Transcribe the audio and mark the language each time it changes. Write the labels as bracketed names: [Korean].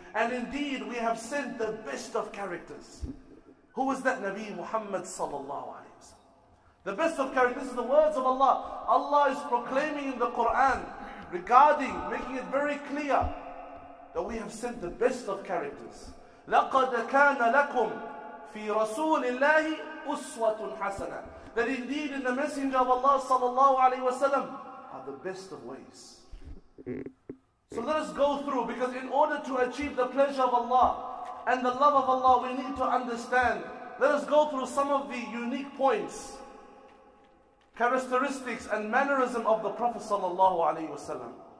[English] And indeed, we have sent the best of characters. Who was that? Nabi Muhammad [Arabic] sallallahu alayhi wa sallam. [English] The best of characters. This is the words of Allah. Allah is proclaiming in the Quran regarding, making it very clear that we have sent the best of characters. [Arabic] لَقَدْ كَانَ لَكُمْ في رسول الله أسوة حسنة. [English] That indeed in the Messenger of Allah [Arabic] sallallahu alayhi wa sallam [English] are the best of ways. So let us go through, because in order to achieve the pleasure of Allah and the love of Allah, we need to understand. Let us go through some of the unique points, characteristics and mannerism of the Prophet [Arabic] sallallahu alayhi wa sallam.